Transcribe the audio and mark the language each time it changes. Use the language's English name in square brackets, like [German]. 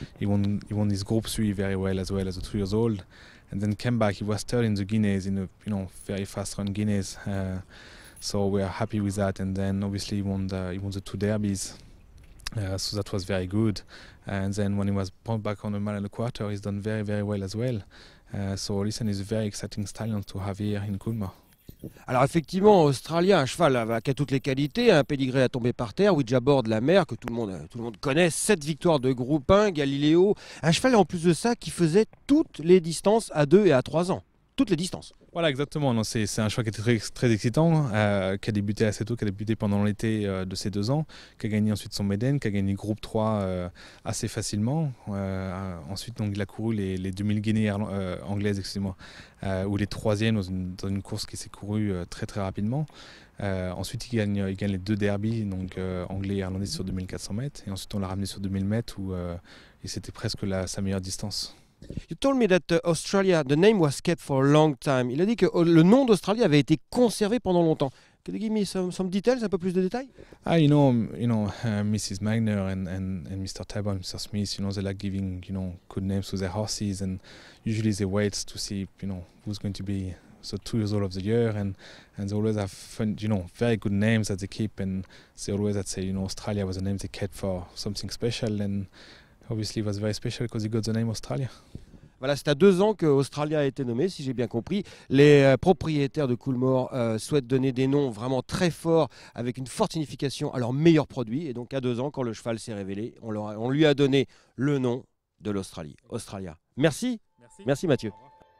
[English] He won his Group 3 very well as a 2 years old. And then came back, he was third in the Guineas, in a, you know, very fast run Guineas. So we are happy with that, and then obviously he won the 2 derbies, so that was very good. And then when he was brought back on a mile and a quarter, he's done very, very well as well. So listen, it's a very exciting stallion to have here in Coolmore. [French] Alors effectivement, Australia, un cheval qui a toutes les qualités, un pédigré à tomber par terre, Ouija Board, la mer, que tout le monde connaît, 7 victoires de groupe 1, Galileo, un cheval en plus de ça qui faisait toutes les distances à 2 et à 3 ans. Toutes les distances. Voilà, exactement. Non, c'est un cheval qui était très, très excitant, qui a débuté assez tôt, qui a débuté pendant l'été de ses 2 ans, qui a gagné ensuite son maiden, qui a gagné groupe 3 assez facilement. Ensuite, donc, il a couru les 2000 guinées anglaises, excusez-moi, ou les 3e dans une course qui s'est courue très très rapidement. Ensuite, il gagne les 2 derbies, donc anglais et irlandais sur 2400 mètres. Et ensuite, on l'a ramené sur 2000 mètres où c'était presque sa meilleure distance. [English] You told me that Australia, the name was kept for a long time. [French] Il a dit que le nom d'Australie avait été conservé pendant longtemps. [English] Can you give me some details, [French] un peu plus de détails? [English] Ah, you know, Mrs. Magner and Mr. Tabor and Mr. Smith, you know, they like giving, you know, good names to their horses, and usually they wait to see, you know, who's going to be the 2 years old of the year, and they always have fun, you know, very good names that they keep, and they always say, you know, Australia was a name they kept for something special, and obviously, it was very special because he got the name Australia. [French] Voilà, c'est à 2 ans que Australia a été nommé, si j'ai bien compris. Les propriétaires de Coolmore souhaitent donner des noms vraiment très forts avec une forte signification à leurs meilleurs produits. Et donc, à 2 ans, quand le cheval s'est révélé, on lui a donné le nom de l'Australie, Australia. Merci. Merci, Mathieu. Au revoir.